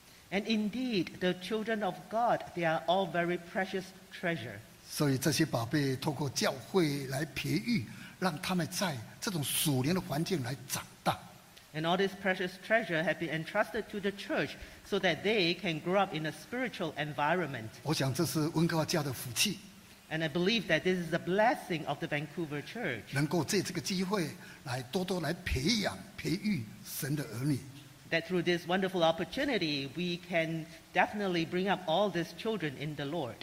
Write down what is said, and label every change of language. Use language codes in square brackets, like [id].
[en] And indeed, the children of God, they are all very precious treasure. [zh] 所以这些宝贝透过教会来培育, 让他们在这种属灵的环境来长大。 [en] And all these precious treasure have been entrusted to the church so that they can grow up in a spiritual environment. [zh] 我想这是温哥华教的福气。 [en] And I believe that this is a blessing of the Vancouver Church. [zh] 能够借这个机会来多多来培养、培育神的儿女。 [en] That through this wonderful opportunity, we can definitely bring up all these children in the Lord.